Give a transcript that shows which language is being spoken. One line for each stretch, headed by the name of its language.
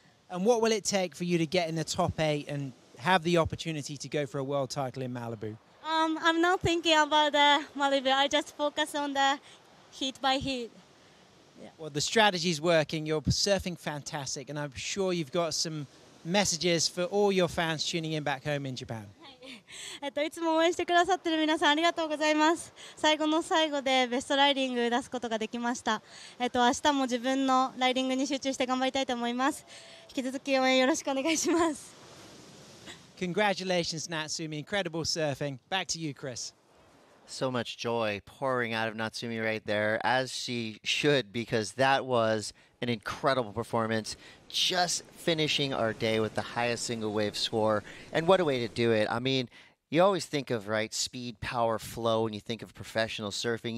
English: And what will it take for you to get in the top eight and have the opportunity to go for a world title in Malibu? I'm not thinking about the Malibu. I just focus on the heat by heat. Yeah. Well, the strategy's working. You're surfing fantastic. And I'm sure you've got some messages for all your fans tuning in back home in Japan.
Japanese: いつも応援してくださってる皆さんありがとうございます。最後の最後でベストライディング出すことができました。明日も自分のライディングに集中して頑張りたいと思います。引き続き応援よろしくお願いします。
English: Congratulations, Natsumi. Incredible surfing. Back to you, Chris. So much joy pouring out of Natsumi right there, as she should, because that was an incredible performance. Just finishing our day with the highest single wave score. And what a way to do it. I mean, you always think of, right, speed, power, flow, when you think of professional surfing.